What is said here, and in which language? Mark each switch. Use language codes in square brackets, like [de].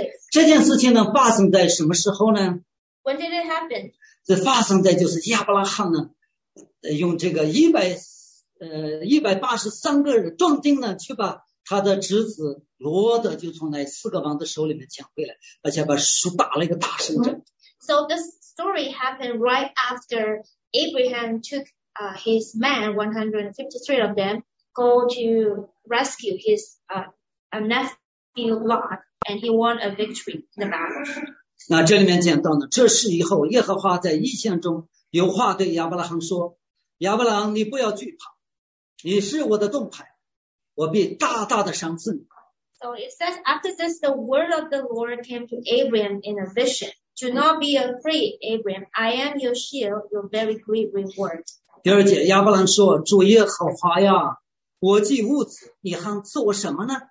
[zh] 这件事情呢发生在什么时候呢？ [en] When did it happen? [zh] 这发生在就是亚伯拉罕呢用这个183个人壮丁呢去把他的侄子罗德就从那四个王的手里面抢回来，而且把手打了一个大胜仗。 [en] So the story happened right after Abraham tookhis men, 153 of them, go to rescue his nephew Lot, and he won a victory in the battle. [zh] 那这里面讲到呢，这事以后，耶和华在异象中有话对亚伯拉罕说：“亚伯拉罕，你不要惧怕，你是我的盾牌，我必大大的赏赐你。” [en] So it says, after this, the word of the Lord came to Abraham in a vision: "Do not be afraid, Abraham. I am your shield, your very great reward." [zh] 第二节，亚伯兰说：“主耶和华呀，我既无子，你还赐我什么呢